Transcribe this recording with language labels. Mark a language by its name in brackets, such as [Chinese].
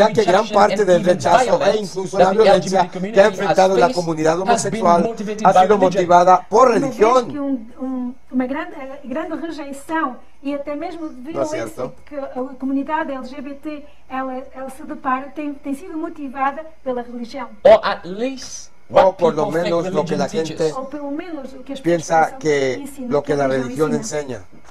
[Portuguese] Já que [Spanish] gran parte del rechazo e incluso la violencia que ha enfrentado la comunidad homosexual ha sido motivada por religión. [Portuguese] Uma grande rejeição e até mesmo violência que a comunidade LGBT ela se depara tem sido motivada pela religião. [English] Or at least [Spanish] o por lo menos lo que la gente piensa que lo que la religión enseña.